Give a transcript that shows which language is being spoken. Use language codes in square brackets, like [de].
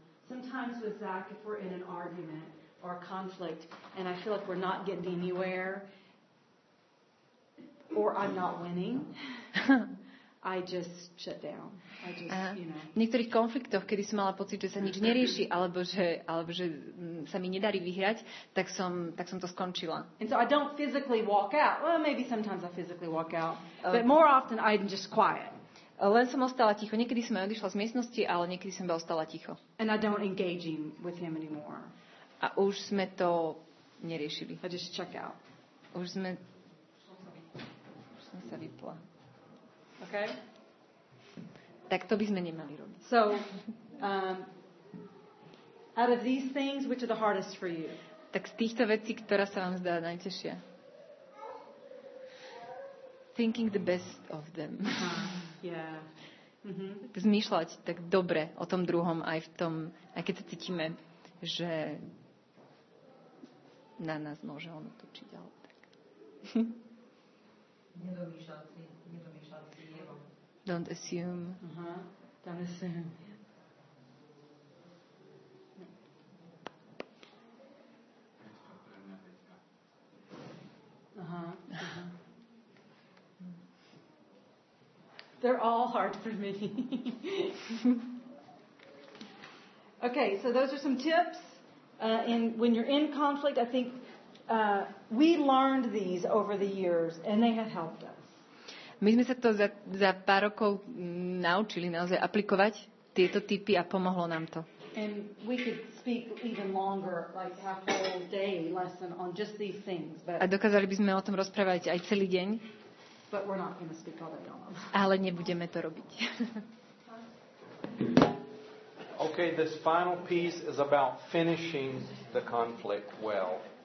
[en] Sometimes with Zach, if we're in an argument or a conflict and I feel like we're not getting anywhere or I'm not winning, I just shut down. [sk] V niektorých konfliktoch, kedy som mala pocit, že sa nič nerieši alebo že sa mi nedarí vyhrať, tak som to skončila. [en] And so I don't physically walk out. Well, maybe sometimes I physically walk out, but more often I'm just quiet. [sk] Len som ostala ticho. Niekedy som aj odišla z miestnosti, ale niekedy som ostala ticho. [en] And I don't engage him with him anymore. [sk] A už sme to neriešili. [en] I just check out. [sk] Už som sa vypla. [en] Okay? [sk] Tak to by sme nemali robiť. [en] So, out of these things, which are the hardest for you? [sk] Tak z týchto vecí, ktorá sa vám zdá najtežšia? [en] Thinking the best of them. Yeah. Mm-hmm. [sk] Zmýšľať tak dobre o tom druhom, aj v tom, aj keď sa cítime, že na nás môže on otočiť. [en] Don't assume. Uh-huh. Don't assume. Uh-huh. They're all hard for me. Okay, so those are some tips. And when you're in conflict, I think we learned these over the years, and they have helped us. [sk] My sme sa to za pár rokov naučili naozaj aplikovať tieto typy a pomohlo nám to. [en] And we could speak even longer, like half a whole day lesson on just these things. [sk] A dokázali by sme o tom rozprávať aj celý deň. [en] But we're not gonna speak all day long. [sk] Ale nebudeme to robiť. [en] Okay, this final piece is about finishing the conflict well.